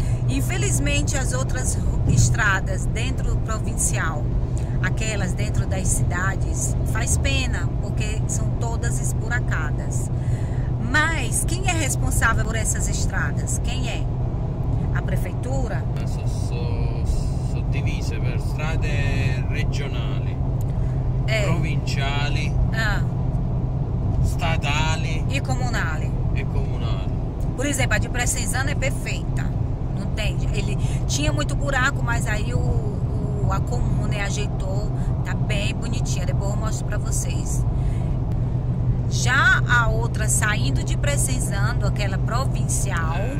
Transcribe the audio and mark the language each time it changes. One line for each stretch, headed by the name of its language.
Portuguese: Infelizmente, as outras estradas dentro do provincial, aquelas dentro das cidades, faz pena, porque são todas esburacadas. Mas quem é responsável por essas estradas? Quem é? A prefeitura?
Italian: Sono divise per strade regionali, provinciali, statali e comunali. E comunali.
Portuguese: Por exemplo, a de Presenzano é perfeita. Não tem. Ele tinha muito buraco, mas aí a comune ajeitou. Tá bem bonitinha. Depois eu mostro pra vocês. Já a outra saindo de Presenzano, aquela provincial.